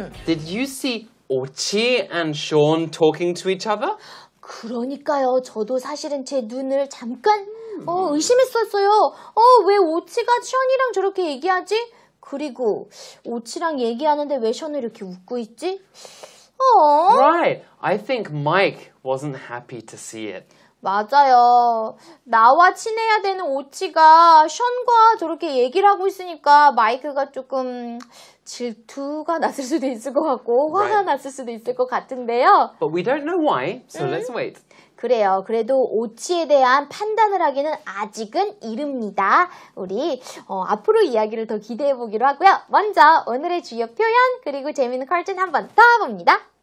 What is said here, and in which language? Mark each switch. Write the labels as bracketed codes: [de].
[en] Did you see Ochi and Sean talking to each other? [ko] 그러니까요, 저도 사실은 제 눈을 잠깐 의심했었어요. 왜 오치가 션이랑 저렇게 얘기하지? 그리고 오치랑 얘기하는데 왜 션을 이렇게 웃고 있지? [en] Right. I think Mike wasn't happy to see it. [ko] 맞아요. 나와 친해야 되는 오치가 션과 저렇게 얘기를 하고 있으니까 마이크가 조금 질투가 났을 수도 있을 것 같고 화가 [en] right. [ko] 났을 수도 있을 것 같은데요. [en] But we don't know why, so let's wait. [ko] 그래요. 그래도 오치에 대한 판단을 하기는 아직은 이릅니다. 우리 앞으로 이야기를 더 기대해보기로 하고요. 먼저 오늘의 주요 표현 그리고 재미있는 컬튼 한번 더 봅니다.